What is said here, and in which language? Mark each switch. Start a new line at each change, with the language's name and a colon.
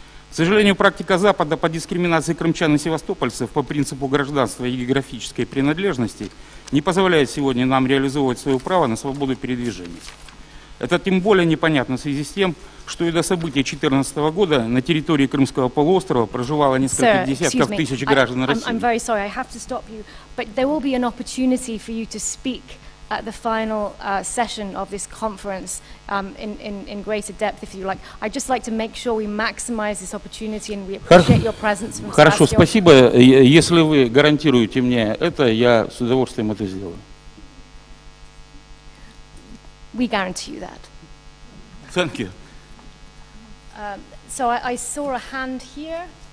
Russian: К сожалению, практика Запада по дискриминации крымчан и севастопольцев по принципу гражданства и географической принадлежности не позволяет сегодня нам реализовывать свое право на свободу передвижения. Это тем более непонятно в связи с тем, что и до событий 2014 года на территории Крымского полуострова проживало несколько десятков тысяч граждан России.
English: I'm very sorry, I have to stop you, but there will be an opportunity for you to speak at the final session of this conference in greater depth, if you like. I'd just like to make sure we maximize this opportunity, and we appreciate your presence.
Russian: Хорошо, спасибо. Если вы гарантируете мне это, я с удовольствием это сделаю.
English: We guarantee you that. Thank you. So I saw a hand here.